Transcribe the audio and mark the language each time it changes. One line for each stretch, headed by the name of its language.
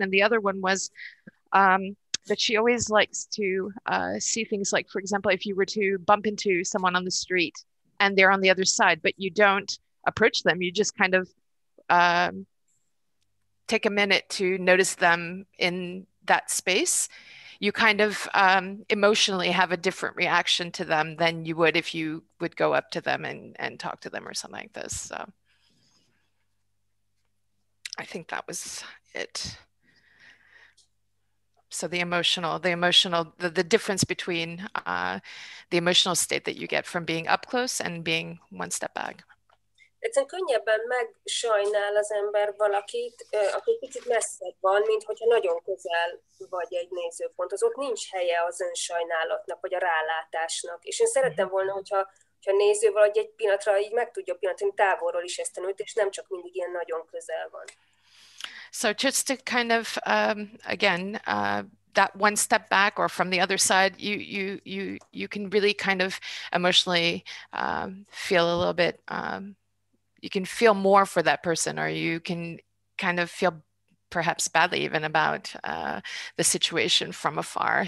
English: And the other one was that she always likes to see things like, for example, if you were to bump into someone on the street and they're on the other side, but you don't approach them, you just kind of take a minute to notice them in that space, you kind of emotionally have a different reaction to them than you would if you would go up to them and talk to them or something like this. So I think that was it. So the difference between the emotional state that you get from being up close and being one step back.
Hungarian: egyszerűen könnyebben megsajnál az ember valakit, aki kicsit messzebb van, mint hogyha nagyon közel vagy egy nézőponthoz. Ott nincs helye az önsajnálatnak, vagy a rálátásnak. És én szerettem volna, hogyha néző valahogy egy pillanatra így meg tudja pillanatni távolról is ezt a nőt, és nem csak mindig ilyen nagyon közel van.
English: So just to kind of, again, that one step back or from the other side, you can really kind of emotionally feel a little bit, you can feel more for that person, or you can kind of feel perhaps badly even about the situation from afar.